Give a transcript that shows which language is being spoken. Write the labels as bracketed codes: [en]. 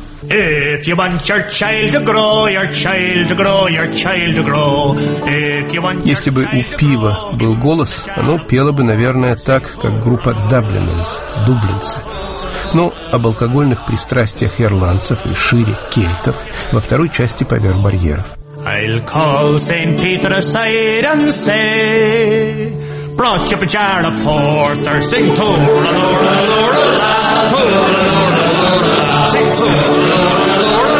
[en] If you want your child to grow, your child to grow, your child to grow. [ru] Если бы у пива был голос, оно пело бы, наверное, так, как группа Dubliners, дублинцы. Но об алкогольных пристрастиях ирландцев и шире кельтов во второй части «Поверх барьеров». [en] I'll call St. Peter aside and say, brought you a jar of porter, sing to la la la la, to la la la, sing to